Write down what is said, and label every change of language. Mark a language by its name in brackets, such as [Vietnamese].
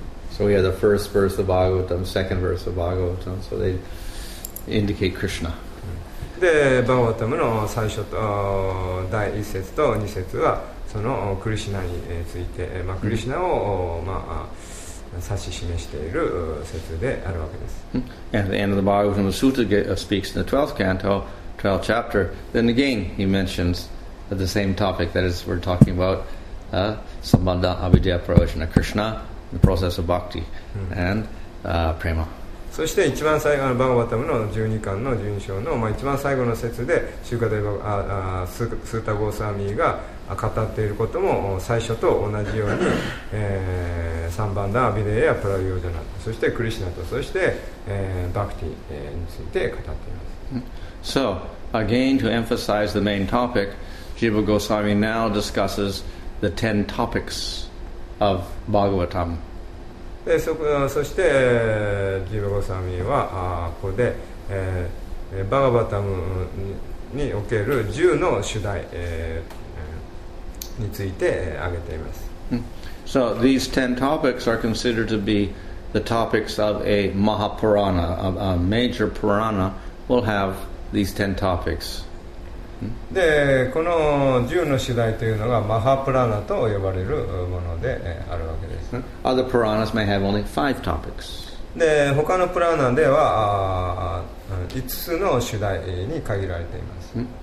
[English] So we have the first verse of Bhagavatam, second verse of Bhagavatam, so theyindicate Krishna. [Japanese] で、バガヴァタムの最初と第一節と二節はそのクリシナについて、まあ、クリシナを、まあ、指し示している説であるわけです。 [English] And the end of the Bhagavatam Sutta speaks in the 12th canto, 12th chapter. Then again, he mentions the same topic that is we're talking about, sambandha, abhidhya, prayojana, Krishna, the process of bhakti, and prema. [Japanese] そして一番最後のバガヴァタムの12巻の12章の、まあ、一番最後の節でシューカデバスータゴーサーミーが語っていることも最初と同じように、サンバンダアビデやプラヨジャナ、そしてクリシナと、そして、バクティについて語っています。 [English] So again to emphasize the main topic, Jiva Goswami now discusses the 10 topics of Bhagavatam [Japanese] で、そしてジーバ・ゴスワミはここで、バガヴァタムにおける10の主題、について挙げています。 [English] So these 10 topics are considered to be the topics of a Mahapurana, a major Purana will have these 10 topics. [Japanese] で、この10の主題というのがマハプラナと呼ばれるものであるわけです。 [English] Other Puranas may have only 5 topics. [Japanese] で、他のプラナでは5つの主題に限られています。